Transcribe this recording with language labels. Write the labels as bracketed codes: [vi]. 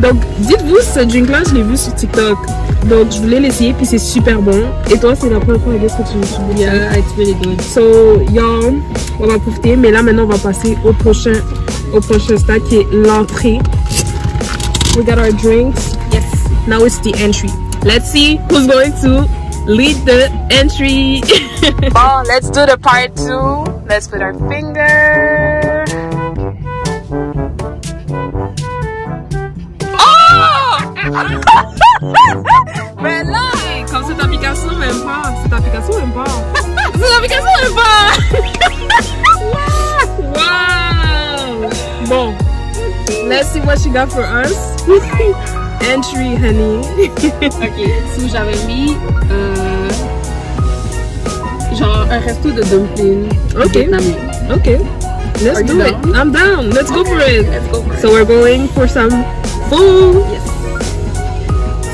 [fr] Donc, dites-vous, ce drink-là, je l'ai vu sur TikTok. Donc, je voulais l'essayer puis c'est super bon. Et toi, c'est la première fois, qu'est-ce que tu veux [en] dire? Yeah, it's really good. So, y'all, [fr] on va profiter. Mais là, maintenant, on va passer au prochain stade qui est l'entrée. [en] We got our drinks. Yes. Now it's the entry. Let's see who's going to lead the entry. Bon, let's do the part 2. Let's put our finger. Oh! [fr] Mais là! Comme cette application même pas. Cette application même pas. Cette application même pas! Wow! [en] Bon, let's see what she got for us. entry, honey. [fr] Ok, si j'avais mis genre un resto de dumplings. [en] Ok. Ok. Let's do it. I'm down. Let's go for it. Let's go for it. So we're going for some food. Yes.